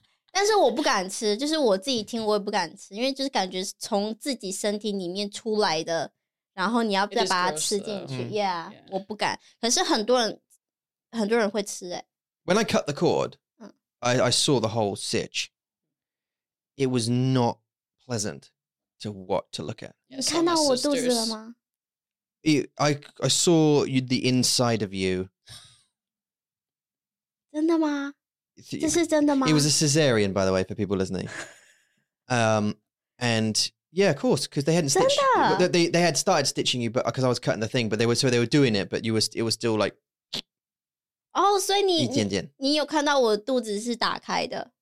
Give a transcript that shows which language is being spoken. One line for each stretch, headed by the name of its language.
Chinese: 但是我不敢吃，就是我自己听我也不敢吃，因为就是感觉是从自己身体里面出来的，然后你要再把它吃进去。
English: Gross, yeah, yeah,
Chinese: 我不敢。可是很多人会吃欸。
English: When I cut the cord, I saw the whole sitch. It was not pleasant to what to look at.
Chinese: 你看到我肚子了吗？
English: I saw you, the inside of you.
Chinese: 真的吗？这是真的吗？
English: It was a cesarean, by the way, for people listening. And yeah, of course, because they hadn't stitched.
Chinese: 真的？
English: They had started stitching you, but because I was cutting the thing, but they were doing it, but it was still like,
Chinese: 哦、oh, ，所以你一件件你有看到我肚子是打开的